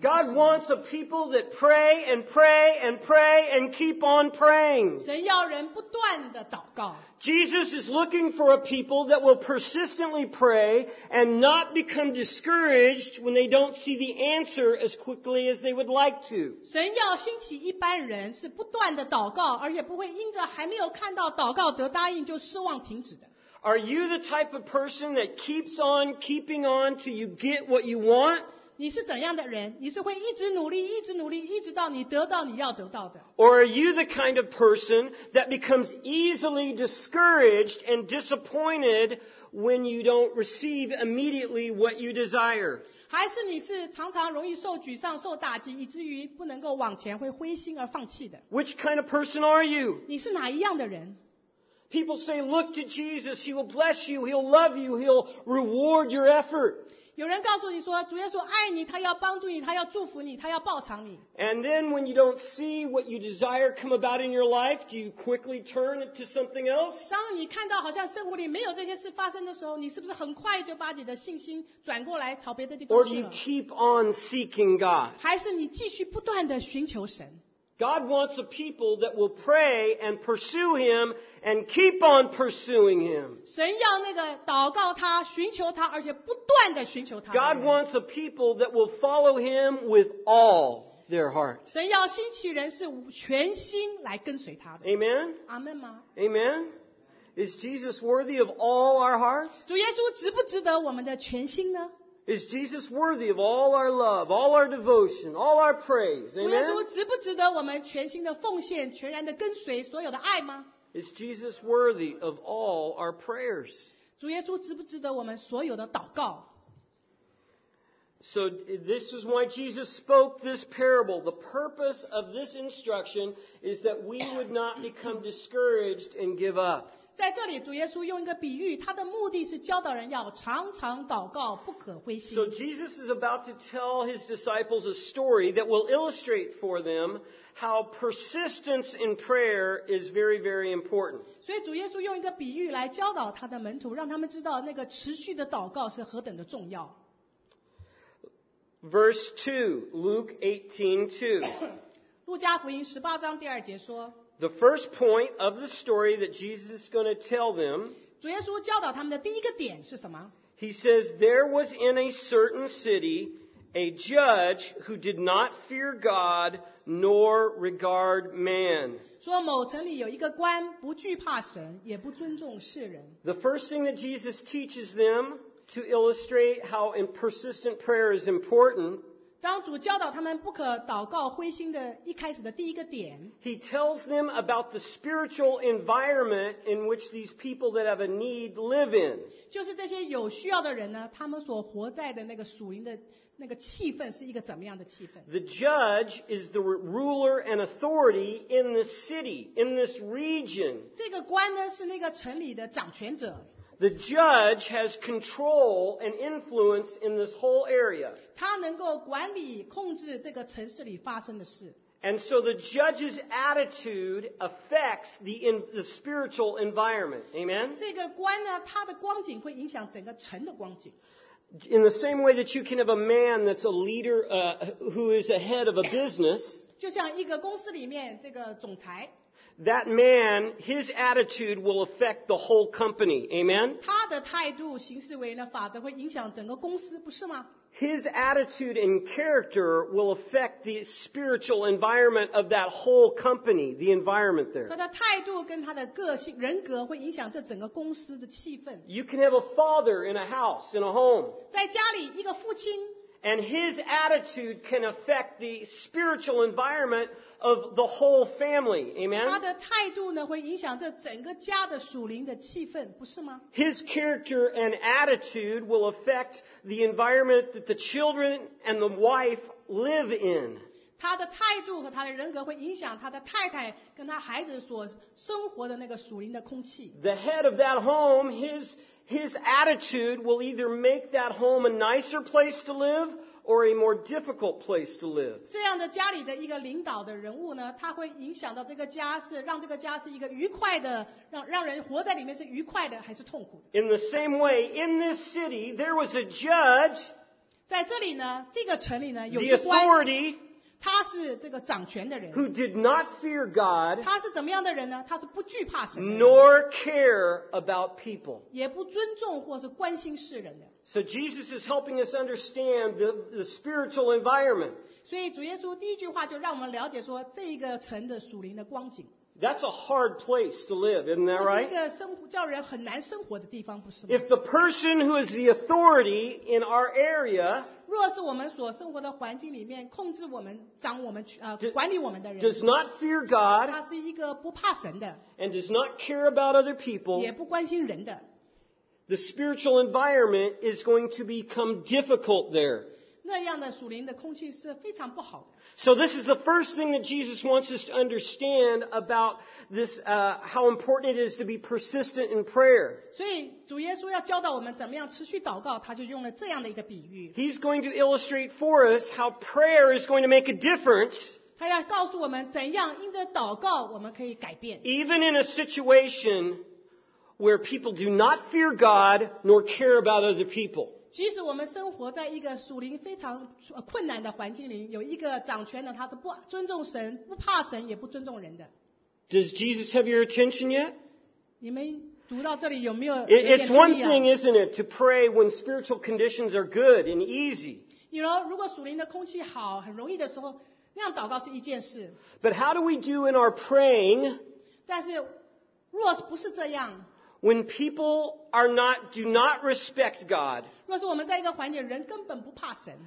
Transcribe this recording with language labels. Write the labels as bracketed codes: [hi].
[en] God wants a people that pray and pray and pray and keep on praying. [zh] 神要人不断的祷告。 [en] Jesus is looking for a people that will persistently pray and not become discouraged when they don't see the answer as quickly as they would like to. [zh] 神要兴起一般人是不断的祷告，而且不会因着还没有看到祷告得答应就失望停止的。 [en] Are you the type of person that keeps on keeping on till you get what you want? [zh] 你是怎样的人？你是会一直努力，一直努力，一直到你得到你要得到的。 [en] Or are you the kind of person that becomes easily discouraged and disappointed when you don't receive immediately what you desire? [zh] 还是你是常常容易受沮丧、受打击，以至于不能够往前，会灰心而放弃的。 [en] Which kind of person are you? [zh] 你是哪一样的人？ [en] People say, look to Jesus, he will bless you, he'll love you, he'll reward your effort. [zh] 有人告诉你说，主耶稣爱你，他要帮助你，他要祝福你，他要报偿你。 [en] And then when you don't see what you desire come about in your life, do you quickly turn it to something else? [zh] 当你看到好像生活里没有这些事发生的时候，你是不是很快就把你的信心转过来朝别的地方去了？ [en] Or do you keep on seeking God? [zh] 还是你继续不断地寻求神？ [en] God wants a people that will pray and pursue Him and keep on pursuing Him. [zh] 神要那个祷告他，寻求他，而且不断地寻求他。 [en] God wants a people that will follow Him with all their heart. [zh] 神要兴起人是全心来跟随他的。 [en] Amen? [zh] Amen 吗？ [en] Amen? Is Jesus worthy of all our hearts? [zh] 主耶稣值不值得我们的全心呢？ [en] Is Jesus worthy of all our love, all our devotion, all our praise? Amen? [zh] 主耶稣值不值得我们全心的奉献，全然的跟随所有的爱吗？ [en] Is Jesus worthy of all our prayers? [zh] 主耶稣值不值得我们所有的祷告？ [en] So this is why Jesus spoke this parable. The purpose of this instruction is that we would not become discouraged and give up. [zh] 在这里主耶稣用一个比喻，他的目的是教导人要常常祷告，不可灰心。 [en] So Jesus is about to tell his disciples a story that will illustrate for them how persistence in prayer is very, very important. [zh] 所以主耶稣用一个比喻来教导他的门徒，让他们知道那个持续的祷告是何等的重要。 [en] Verse 2, Luke 18:2. [zh] 路加福音十八章第二节说， [en] The first point of the story that Jesus is going to tell them, [zh] 主耶稣教导他们的第一个点是什么？ [en] He says, there was in a certain city a judge who did not fear God nor regard man. [zh] 说某城里有一个官不惧怕神，也不尊重世人。 [en] The first thing that Jesus teaches them to illustrate how persistent prayer is important, [zh] 当主教导他们不可祷告灰心的一开始的第一个点， [en] He tells them about the spiritual environment in which these people that have a need live in. [zh] 就是这些有需要的人呢，他们所活在的那个属灵的那个气氛是一个怎么样的气氛？ [en] The judge is the ruler and authority in this city, in this region. [zh] 这个官呢，是那个城里的掌权者。 [en] The judge has control and influence in this whole area. [zh] 他能够管理控制这个城市里发生的事。 [en] And so the judge's attitude affects the spiritual environment. Amen? [zh] 这个官呢，他的光景会影响整个城的光景。 [en] In the same way that you can have a man that's a leader, who is a head of a business. [zh] 就像一个公司里面这个总裁。 [en] that man, his attitude will affect the whole company. Amen? [zh] 他的态度行事为人法则会影响整个公司，不是吗？ [en] His attitude and character will affect the spiritual environment of that whole company, the environment there. [zh] 他的态度跟他的个性人格会影响这整个公司的气氛。 [en] You can have a father in a house, in a home. [zh] 在家里一个父亲。 [en] And his attitude can affect the spiritual environment of the whole family. Amen? [zh] 他的态度呢会影响这整个家的属灵的气氛，不是吗？ [en] His character and attitude will affect the environment that the children and the wife live in. [zh] 他的态度和他的人格会影响他的太太跟他孩子所生活的那个属灵的空气。 [en] The head of that home, His attitude will either make that home a nicer place to live or a more difficult place to live. [zh] 这样的家里的一个领导的人物呢，他会影响到这个家是让这个家是一个愉快的，让人活在里面是愉快的还是痛苦的。 [en] In the same way, in this city, there was a judge. [zh] 在这里呢，这个城里呢，有一 [en] 官。The authority. [zh] 他是这个掌权的人。 [en] Who did not fear God? [zh] 他是怎么样的人呢？他是不惧怕神的。 [en] Nor care about people. [zh] 也不尊重或是关心世人的。 [en] So Jesus is helping us understand the spiritual environment. [zh] 所以主耶稣第一句话就让我们了解说这个城的属灵的光景。 [en] That's a hard place to live, isn't that right? [zh] 这是一个生活叫人很难生活的地方，不是吗？ [en] If the person who is the authority in our area. [zh] 若是我们所生活的环境里面控制我们掌我们、管理我们的人 [en] does not fear God, [zh] 他是一个不怕神的 [en] and does not care about other people, [zh] 也不关心人的 [en] the spiritual environment is going to become difficult there. [zh] 那样的属灵的空气是非常不好的 [en] So this is the first thing that Jesus wants us to understand about this, how important it is to be persistent in prayer. [zh] 所以主耶稣要教导我们怎么样持续祷告，他就用了这样的一个比喻。 [en] He's going to illustrate for us how prayer is going to make a difference. [zh] 他要告诉我们怎样因着祷告我们可以改变。 [en] Even in a situation where people do not fear God nor care about other people. [zh] 即使我们生活在一个属灵非常困难的环境里，有一个掌权的，他是不尊重神，不怕神，也不尊重人的。 [en] Does Jesus have your attention yet? [zh] 你们。读到这里有没有？ [en] It's one thing, isn't it, to pray when spiritual conditions are good and easy. You know, [zh] 如果属灵的空气好，很容易的时候，那样祷告是一件事。 [en] But how do we do in our praying? [zh] 但是，若是不是这样 [en] ，when people are not do not respect God. [zh] 若是我们在一个环境，人根本不怕神。